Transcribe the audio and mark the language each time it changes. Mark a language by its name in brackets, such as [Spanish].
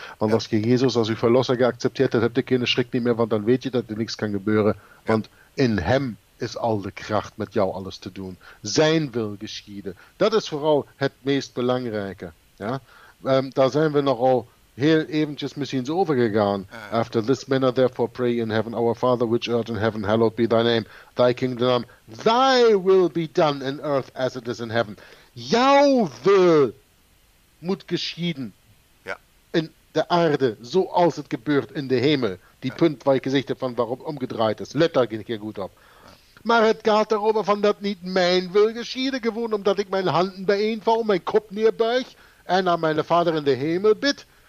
[Dutch] Want als je Jezus als uw verlosser geaccepteerd hebt, dan heb je geen schrik niet meer, want dan weet je dat er niks kan gebeuren. Ja. Want in hem is al de kracht met jou alles te doen. Zijn wil geschieden. Dat is vooral het meest belangrijke. Ja? Daar zijn we nogal heel eventjes misschien zo overgegaan. [English] After this manner therefore pray in heaven, our Father which art in heaven, hallowed be thy name, thy kingdom, thy will be done in earth as it is in heaven. [Dutch] Jouw wil moet geschieden in de aarde, zoals het gebeurt in de hemel. Die punt waar ik gezegd heb van waarom omgedraaid is. Let daar een keer goed op. Ja. Maar het gaat erover van dat niet mijn wil geschieden, gewoon omdat ik mijn handen bijeenvouw, mijn kop neerbuig en aan mijn Vader in de hemel bid.